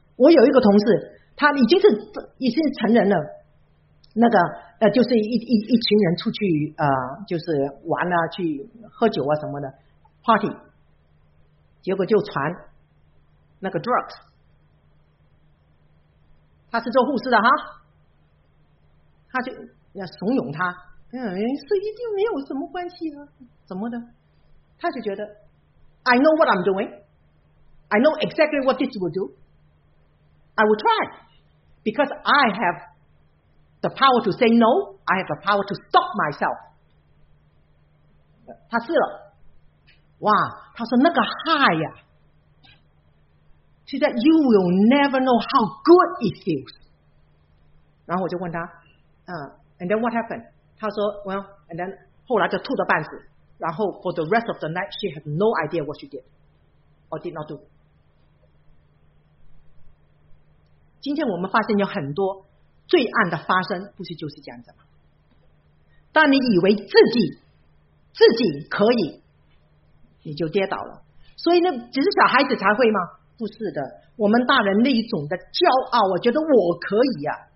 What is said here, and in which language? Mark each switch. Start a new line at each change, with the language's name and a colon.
Chinese: 我有一个同事，他已经成人了。那个就是一群人出去就是玩啊，去喝酒啊什么的 party， 结果就传那个 drugs。他是做护士的哈，他就要怂恿他，是一定没有什么关系啊，怎么的？他就觉得
English: ，I know what I'm doing, I know exactly what this will do, I will try, because I have the power to say no, I have the power to stop myself。
Chinese: 他试了，哇，他说那个 high 呀。
English: She said, you will never know how good it feels.
Chinese: 然后我就问他
English: and then what happened?
Chinese: 他说
English: well, and then
Chinese: 后来就吐得半死，然后
English: for the rest of the night, she had no idea what she did or did not do.
Chinese: 今天我们发现有很多罪案的发生，不是就是这样子吗？当你以为自己可以，你就跌倒了。所以那只是小孩子才会吗？不是的，我们大人那一种的骄傲，我觉得我可以啊。